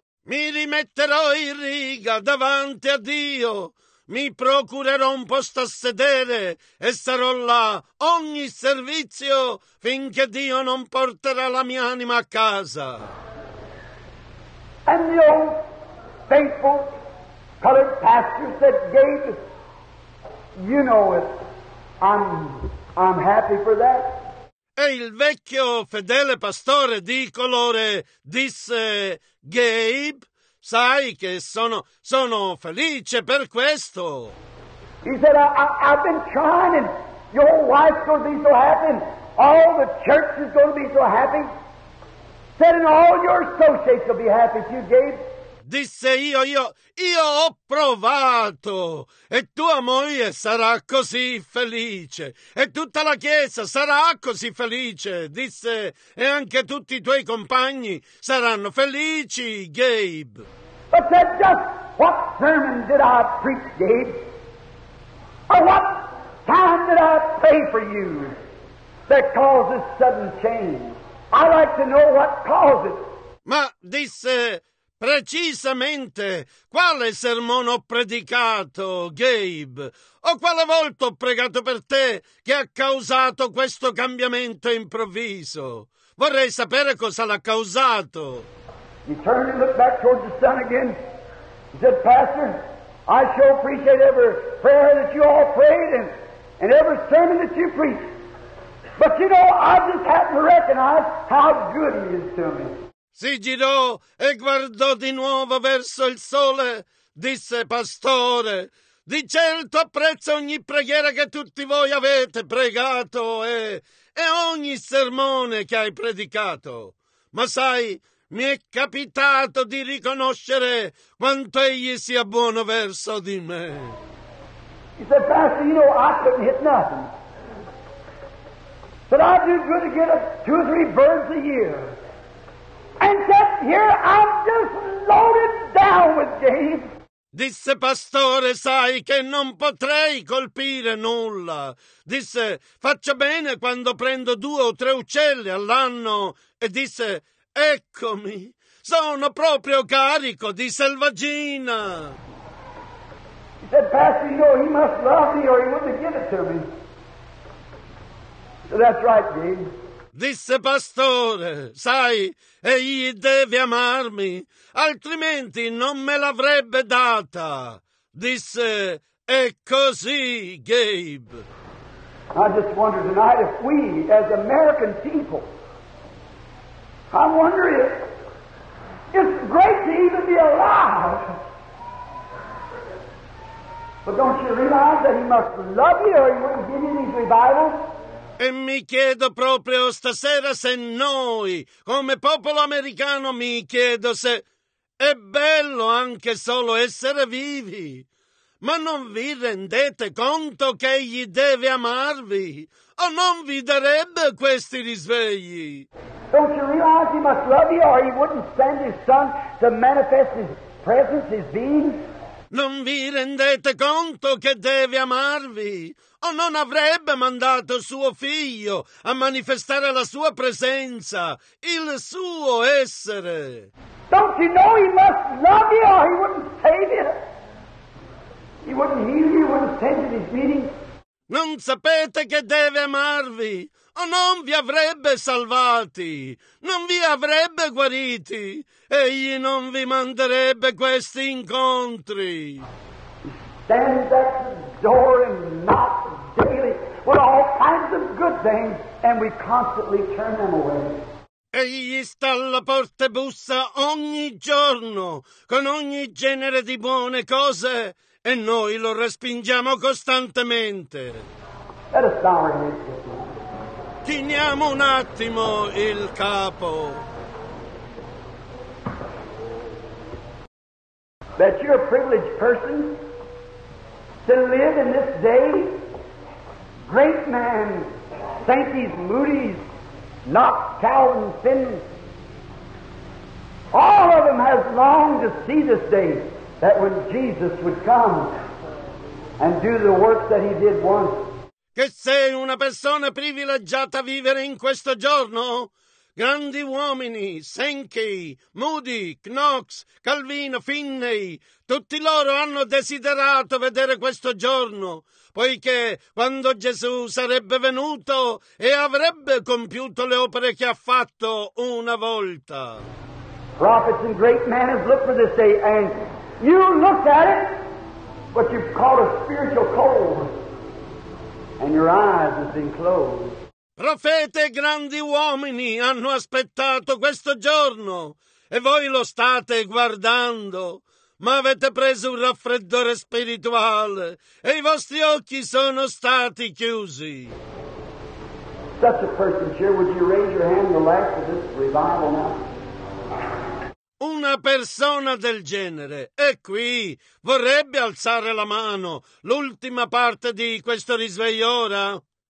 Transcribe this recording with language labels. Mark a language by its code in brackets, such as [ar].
[it] "Mi rimetterò in riga davanti a Dio. Mi procurerò un posto a sedere e sarò là ogni servizio finché Dio non porterà la mia anima a casa." [en] And the old faithful colored pastor said, "Gabe, you know it. I'm happy for that." [it] E il vecchio fedele pastore di colore disse, "Gabe, sai che sono felice per questo." [en] He said, "I've been trying, and your wife's going to be so happy, and all the church is going to be so happy. Said, and all your associates will be happy too, Gabe." [it] Disse, io ho provato, e tua moglie sarà così felice, e tutta la chiesa sarà così felice, disse, e anche tutti i tuoi compagni saranno felici, Gabe. [en] But said, "Just what sermon did I preach, Gabe? Or what time did I pray for you that caused this sudden change? I'd like to know what caused it." [it] Ma disse, "Precisamente, quale sermone ho predicato, Gabe? O quale volta ho pregato per te che ha causato questo cambiamento improvviso? Vorrei sapere cosa l'ha causato." [en] He turned and looked back towards the sun again. He said, "Pastor, I sure appreciate every prayer that you all prayed and every sermon that you preached. But you know, I just happen to recognize how good he is to me." [it] Si girò e guardò di nuovo verso il sole. Disse, "Pastore, di certo apprezzo ogni preghiera che tutti voi avete pregato e ogni sermone che hai predicato. Ma sai, mi è capitato di riconoscere quanto egli sia buono verso di me." [en] He said, "Pastor, you know, I couldn't hit nothing. But I do good to get 2 or 3 birds a year. And yet here I'm just loaded down with game." [it] Disse, "Pastore, sai che non potrei colpire nulla. Disse, faccio bene quando prendo 2 o 3 uccelli all'anno." E disse, "Eccomi, sono proprio carico di selvaggina. [en] He said, Pastor, you know, he must love me or he wouldn't give it to me. So that's right, Gene. [it] Disse pastore, sai, egli deve amarmi, altrimenti non me l'avrebbe data. Disse, è così, Gabe. [en] I just wonder tonight if we, as American people, I wonder if it's great to even be alive. But don't you realize that he must love you or he wouldn't give you these revivals? [it] E mi chiedo proprio stasera se noi, come popolo americano, mi chiedo se è bello anche solo essere vivi. Ma non vi rendete conto che egli deve amarvi? O non vi darebbe questi risvegli? [en] Don't you realize he must love you or he wouldn't send his son to manifest his presence, his being? [it] Non vi rendete conto che deve amarvi? O non avrebbe mandato suo figlio a manifestare la sua presenza, il suo essere? [en] Don't you know he must love you or he wouldn't save you? He wouldn't heal you, he wouldn't attend to his meeting? [it] Non sapete che deve amarvi? O non vi avrebbe salvati? Non vi avrebbe guariti? Egli non vi manderebbe questi incontri? [en] Stand at the door and knock daily with all kinds of good things, and we constantly turn them away. [it] Egli sta alla porta e bussa ogni giorno con ogni genere di buone cose, e noi lo respingiamo costantemente. [en] Let us bow our heads. [it] Chiniamo un attimo il capo. [en] That you're a privileged person to live in this day. Great man, Sankey's, Moody's, Knox, Calvin, Finn. All of them has longed to see this day, that when Jesus would come and do the work that he did once. [it] Che sei una persona privilegiata a vivere in questo giorno? Grandi uomini, Sankey, Moody, Knox, Calvino, Finney, tutti loro hanno desiderato vedere questo giorno, poiché quando Gesù sarebbe venuto e avrebbe compiuto le opere che ha fatto una volta. [en] Prophets and great men have looked for this day, and you looked at it, but you've caught a spiritual cold. And your eyes have been closed. [it] Profete e grandi uomini hanno aspettato questo giorno, e voi lo state guardando, ma avete preso un raffreddore spirituale, e i vostri occhi sono stati chiusi. [en] Such a person here, would you raise your hand to last for this revival now? [it] Una persona del genere è qui, vorrebbe alzare la mano, l'ultima parte di questo risveglio ora.